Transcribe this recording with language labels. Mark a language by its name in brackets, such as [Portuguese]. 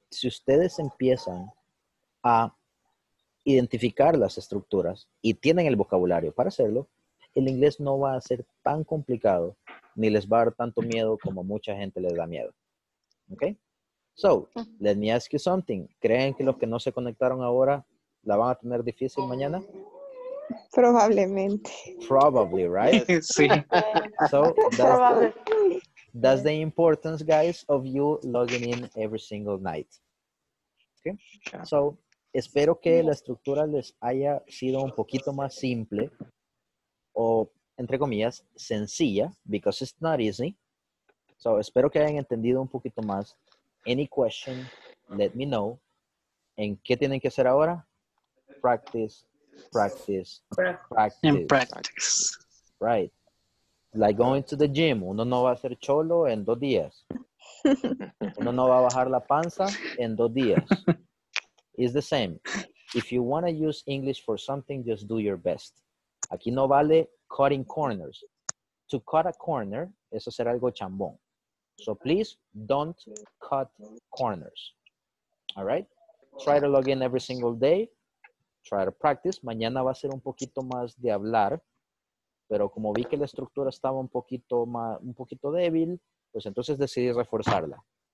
[Spanish] Si ustedes empiezan a identificar las estructuras y tienen el vocabulario para hacerlo, el inglés no va a ser tan complicado ni les va a dar tanto miedo como mucha gente les da miedo. ¿Okay? [English] So, let me ask you something. [Spanish] ¿Creen que los que no se conectaron ahora la van a tener difícil mañana? [English] Probably, right? [Spanish] Sí. [English] So, that's the importance, guys, of you logging in every single night. [Spanish] Okay? So, espero que la estructura les haya sido un poquito más simple o, entre comillas, sencilla, [English] because it's not easy. [Spanish] So, espero que hayan entendido un poquito más. [English] Any question, let me know. [Spanish] ¿En qué tienen que hacer ahora? [English] Practice. Right. Like going to the gym. [Spanish] Uno no va a ser cholo en 2 días. Uno no va a bajar la panza en 2 días. [English] It's the same. If you want to use English for something, just do your best. [Spanish] Aquí no vale [English] cutting corners. To cut a corner [Spanish] es hacer algo chambón. [English] So please don't cut corners. All right? Try to log in every single day. Try to practice. [Spanish] Mañana va a ser un poquito más de hablar, pero como vi que la estructura estaba un poquito más, un poquito débil, pues entonces decidí reforzarla.